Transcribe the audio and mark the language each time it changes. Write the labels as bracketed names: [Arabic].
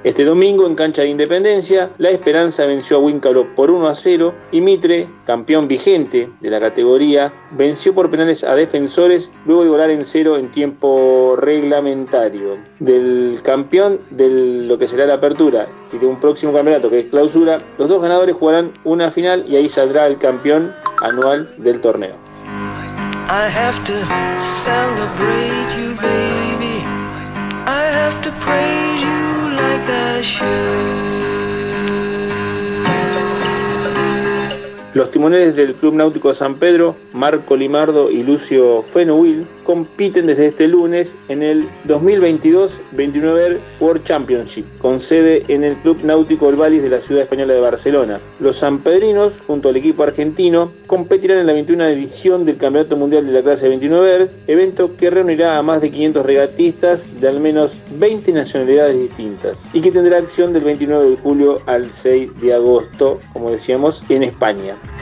[Spanish] Este domingo, en cancha de Independencia, La Esperanza venció a Huíncaro por 1-0 y Mitre, campeón vigente de la categoría, venció por penales a Defensores luego de volar en 0 en tiempo reglamentario. Del campeón de lo que será la apertura y de un próximo campeonato que es clausura, los dos ganadores jugarán una final y ahí saldrá el campeón anual del torneo. [English] I have to celebrate you, baby. I have to praise you like I should. [Spanish] Los timoneles del Club Náutico San Pedro, Marco Limardo y Lucio Fenouil, compiten desde este lunes en el 2022-29 World Championship, con sede en el Club Náutico El Valis de la ciudad española de Barcelona. Los sanpedrinos, junto al equipo argentino, competirán en la 21 edición del Campeonato Mundial de la Clase 29, evento que reunirá a más de 500 regatistas de al menos 20 nacionalidades distintas y que tendrá acción del 29 de julio al 6 de agosto, como decíamos, en España.